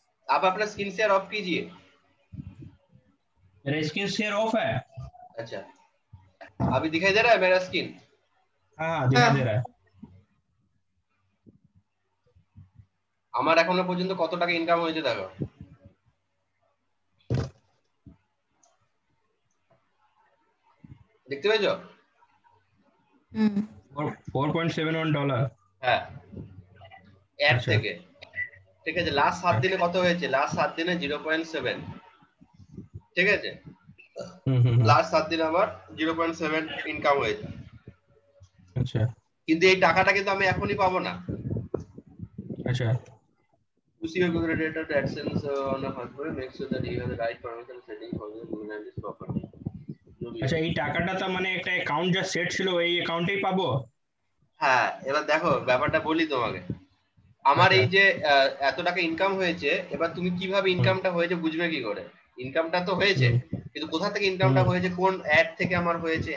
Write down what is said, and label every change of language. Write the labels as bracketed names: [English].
[Hindi] आप अपना screen share of कीजिए। मेरा स्क्रीन शेयर ऑफ है। अच्छा अभी दिखाई दे रहा है मेरा स्क्रीन? हाँ दिखाई दे रहा है। [Bangla] আমার এখনো পর্যন্ত কত টাকা ইনকাম হয়েছে দেখো। দেখতে পাচ্ছ? হুম 4.71 ডলার। হ্যাঁ অ্যাপ থেকে ঠিক আছে। লাস্ট 7 দিনে কত হয়েছে? লাস্ট 7 দিনে 0.7 ঠিক আছে। লাস্ট 7 দিনে আমার 0.7 ইনকাম হয়েছে। আচ্ছা কিন্তু এই টাকাটা কিন্তু আমি এখনি পাবো না। আচ্ছা [English] उसी वजह से data to AdSense on a fund पर make sure that you have the right parameter setting for your Google Analytics property. [Hindi] अच्छा ये [Bangla] টাকাটা তো মানে একটা অ্যাকাউন্ট যা সেট ছিল ওই অ্যাকাউন্টেই পাবো। হ্যাঁ এবার দেখো ব্যাপারটা বলি তোমাকে। আমার এই যে এত টাকা ইনকাম হয়েছে এবার তুমি কিভাবে ইনকামটা হয়েছে বুঝবে কি করে? ইনকামটা তো হয়েছে কিন্তু কোথা থেকে ইনকামটা হয়েছে, কোন অ্যাড থেকে আমার হয়েছে?